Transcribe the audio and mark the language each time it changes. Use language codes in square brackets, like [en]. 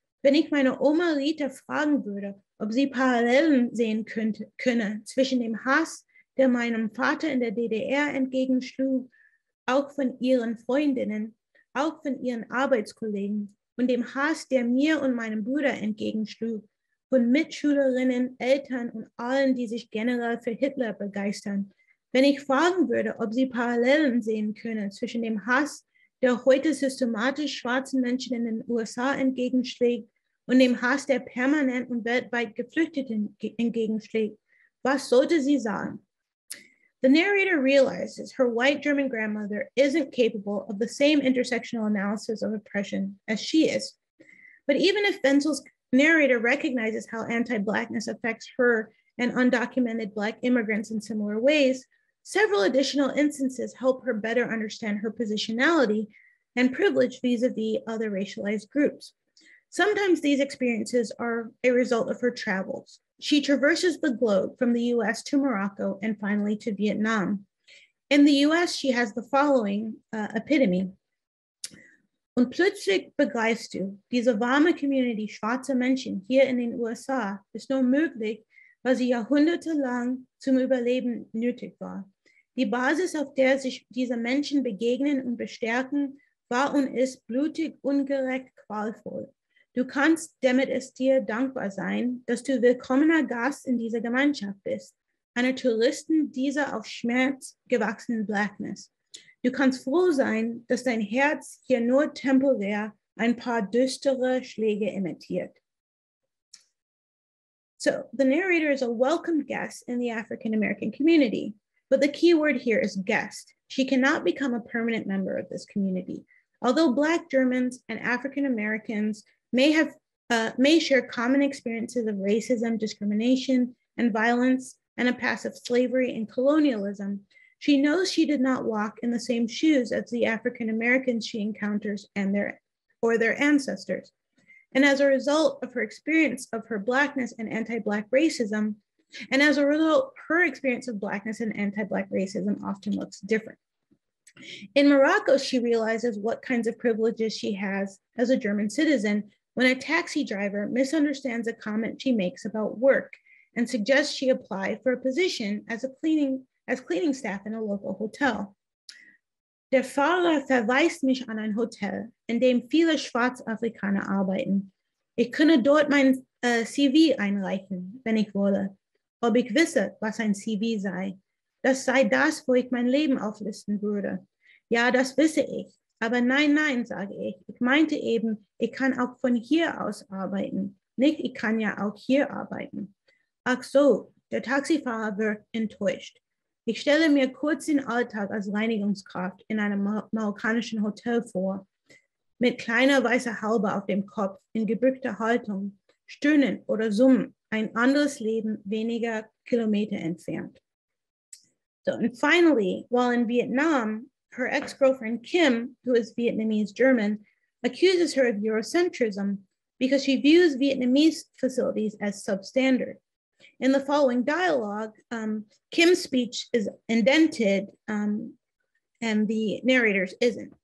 [de] Wenn ich meine Oma Rita fragen würde, ob sie Parallelen sehen könne zwischen dem Hass, der meinem Vater in der DDR entgegenschlug, auch von ihren Freundinnen, auch von ihren Arbeitskollegen und dem Hass, der mir und meinem Bruder entgegenschlug, von Mitschülerinnen, Eltern und allen, die sich generell für Hitler begeistern. Wenn ich fragen würde, ob sie Parallelen sehen können zwischen dem Hass, der heute systematisch schwarzen Menschen in den USA entgegenschlägt und dem Hass, der permanent und weltweit Geflüchteten entgegenschlägt, was sollte sie sagen? [en] The narrator realizes her white German grandmother isn't capable of the same intersectional analysis of oppression as she is. But even if Wenzel's narrator recognizes how anti-Blackness affects her and undocumented Black immigrants in similar ways, several additional instances help her better understand her positionality and privilege vis-a-vis other racialized groups. Sometimes these experiences are a result of her travels. She traverses the globe from the US to Morocco and finally to Vietnam. In the US, she has the following epitome. [de] Und plötzlich begreifst du, diese warme Community schwarzer Menschen hier in den USA ist nur möglich, weil sie jahrhundertelang zum Überleben nötig war. Die Basis, auf der sich diese Menschen begegnen und bestärken, war und ist blutig, ungerecht, qualvoll. Du kannst damit es dir dankbar sein, dass du willkommener Gast in dieser Gemeinschaft bist, einer Touristin dieser auf Schmerz gewachsenen Blackness. Du kannst froh sein, dass dein Herz hier nur temporär ein paar düstere Schläge emittiert. [en] So, the narrator is a welcomed guest in the African-American community, but the key word here is guest. She cannot become a permanent member of this community. Although Black Germans and African-Americans may share common experiences of racism, discrimination, and violence, and a past of slavery and colonialism, she knows she did not walk in the same shoes as the African-Americans she encounters and their ancestors. And as a result of her experience of her Blackness and anti-Black racism, and as a result, her experience of Blackness and anti-Black racism often looks different. In Morocco, she realizes what kinds of privileges she has as a German citizen when a taxi driver misunderstands a comment she makes about work and suggests she apply for a position as cleaning staff in a local hotel. [de] Der Fahrer verweist mich an ein Hotel, in dem viele Schwarzafrikaner arbeiten. Ich könne dort mein CV einreichen, wenn ich wolle. Ob ich wisse, was ein CV sei. Das sei das, wo ich mein Leben auflisten würde. Ja, das wisse ich. Aber nein, nein, sage ich. Ich meinte eben, ich kann auch von hier aus arbeiten. Nicht, ich kann ja auch hier arbeiten. Ach so, der Taxifahrer wird enttäuscht. Ich stelle mir kurz den Alltag als Reinigungskraft in einem marokkanischen Hotel vor. Mit kleiner weißer Haube auf dem Kopf, in gebückter Haltung, stöhnen oder summen, ein anderes Leben weniger Kilometer entfernt. [en] So, and finally, while in Vietnam, her ex-girlfriend Kim, who is Vietnamese-German, accuses her of Eurocentrism because she views Vietnamese facilities as substandard. In the following dialogue, Kim's speech is indented and the narrator's isn't.